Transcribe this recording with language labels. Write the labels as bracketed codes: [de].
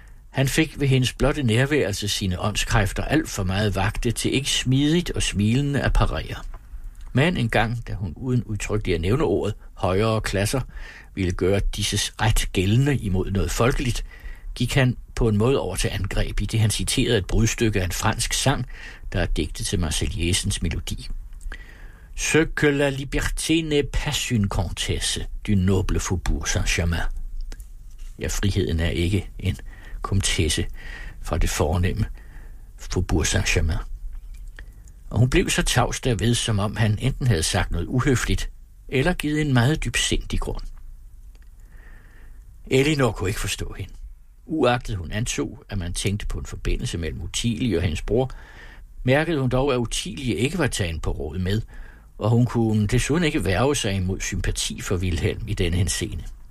[da] Han fik ved hendes blotte nærværelse sine åndskræfter alt for meget vagte til ikke smidigt og smilende at parere. Men en gang, da hun uden udtrykkeligt at nævne ordet højere klasser, ville gøre disses ret gældende imod noget folkeligt, gik han på en måde over til angreb i det, han citerede et brudstykke af en fransk sang, der er digtet til Marseillaisens melodi. [fr] «Ce que la liberté n'est pas une comtesse du noble Faubourg Saint-Germain». [da] Ja, friheden er ikke en komtesse fra det fornemme Faubourg Saint-Germain. Og hun blev så tavs derved, som om han enten havde sagt noget uhøfligt, eller givet en meget dybsindig grund. Elinor kunne ikke forstå hende. Uagtet hun antog, at man tænkte på en forbindelse mellem Ottilie og hendes bror, mærkede hun dog, at Ottilie ikke var taget på råd med, og hun kunne desuden ikke værve sig imod sympati for Vilhelm i denne henseende.